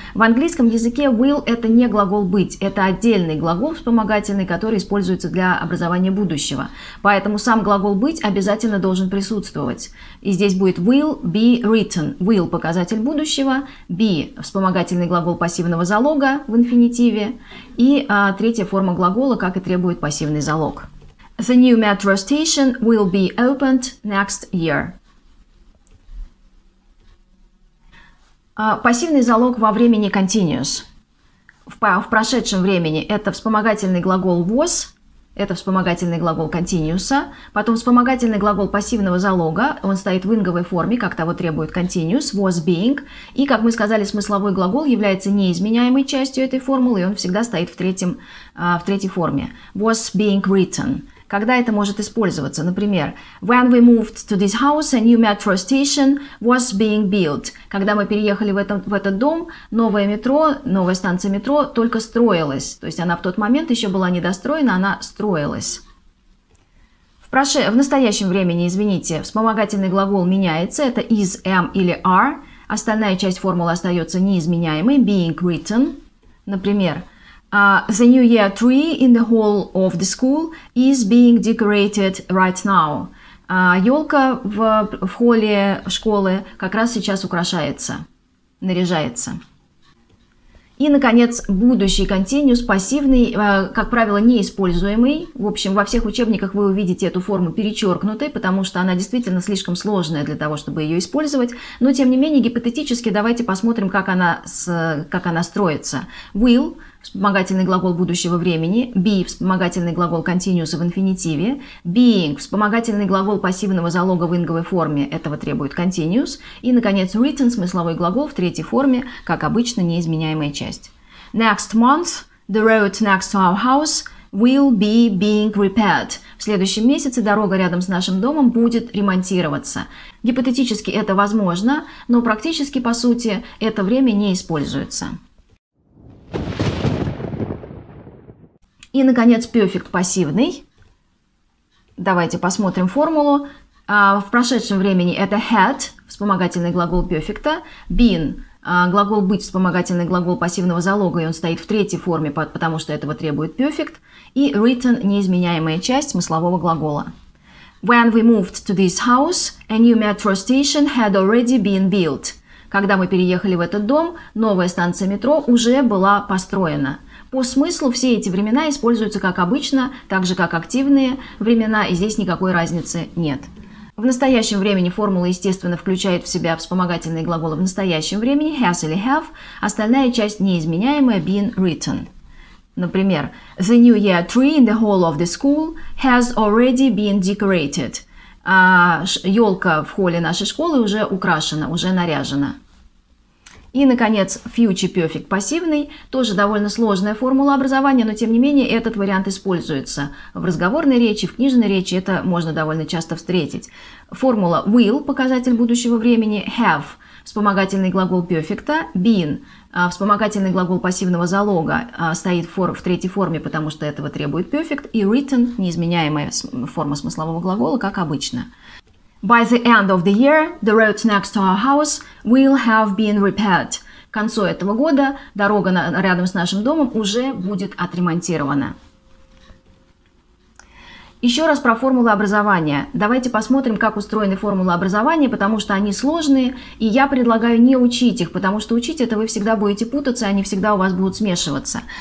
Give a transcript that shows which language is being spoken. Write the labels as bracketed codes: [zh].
[ru] В английском языке will это не глагол быть, это отдельный глагол вспомогательный, который используется для образования будущего. Поэтому сам глагол быть обязательно должен присутствовать. И здесь будет [en] will be written. [ru] Will – показатель будущего, be – вспомогательный глагол пассивного залога в инфинитиве, и третья форма глагола, как и требует пассивный залог. [en] The new metro station will be opened next year. [ru] Пассивный залог во времени continuous. В прошедшем времени это вспомогательный глагол was. Это вспомогательный глагол continuous, потом вспомогательный глагол пассивного залога, он стоит в инговой форме, как того требует continuous, was being, и, как мы сказали, смысловой глагол является неизменяемой частью этой формулы, и он всегда стоит в третьей форме, was being written. Когда это может использоваться? [en] Например, when we moved to this house, a new metro station was being built. [ru] Когда мы переехали в этот дом, новая станция метро только строилась. То есть она в тот момент еще была недостроена, она строилась. В настоящем времени, извините, вспомогательный глагол меняется. Это is, am или are. Остальная часть формулы остается неизменяемой, being written. [en] Например, the new year tree in the hall of the school is being decorated right now. [ru] Елка в холле школы как раз сейчас украшается, наряжается. И, наконец, будущий continuous, пассивный, как правило, неиспользуемый. В общем, во всех учебниках вы увидите эту форму перечеркнутой, потому что она действительно слишком сложная для того, чтобы ее использовать. Но, тем не менее, гипотетически давайте посмотрим, как она строится. Will – вспомогательный глагол будущего времени, be – вспомогательный глагол continuous в инфинитиве, being – вспомогательный глагол пассивного залога в инговой форме, этого требует continuous, и, наконец, written – смысловой глагол в третьей форме, как обычно, неизменяемая часть. [en] Next month – the road next to our house will be being repaired. [ru] В следующем месяце дорога рядом с нашим домом будет ремонтироваться. Гипотетически это возможно, но практически, по сути, это время не используется. И, наконец, perfect пассивный. Давайте посмотрим формулу. В прошедшем времени это had, вспомогательный глагол перфекта, been, глагол быть, вспомогательный глагол пассивного залога, и он стоит в третьей форме, потому что этого требует perfect, и written, неизменяемая часть смыслового глагола. [en] When we moved to this house, a new metro station had already been built. [ru] Когда мы переехали в этот дом, новая станция метро уже была построена. По смыслу все эти времена используются как обычно, так же как активные времена, и здесь никакой разницы нет. В настоящем времени формула, естественно, включает в себя вспомогательные глаголы в настоящем времени has или have, остальная часть неизменяемая been written. [en] Например, the new year tree in the hall of the school has already been decorated. [ru] Ёлка в холле нашей школы уже украшена, уже наряжена. И, наконец, future perfect пассивный. Тоже довольно сложная формула образования, но, тем не менее, этот вариант используется. В разговорной речи, в книжной речи это можно довольно часто встретить. Формула will, показатель будущего времени, have, вспомогательный глагол перфекта, been, вспомогательный глагол пассивного залога, стоит в третьей форме, потому что этого требует perfect, и written, неизменяемая форма смыслового глагола, как обычно. [en] By the end of the year, the road next to our house will have been repaired. [ru] К концу этого года дорога рядом с нашим домом уже будет отремонтирована. Еще раз про формулы образования. Давайте посмотрим, как устроены формулы образования, потому что они сложные, и я предлагаю не учить их, потому что учить это вы всегда будете путаться, они всегда у вас будут смешиваться.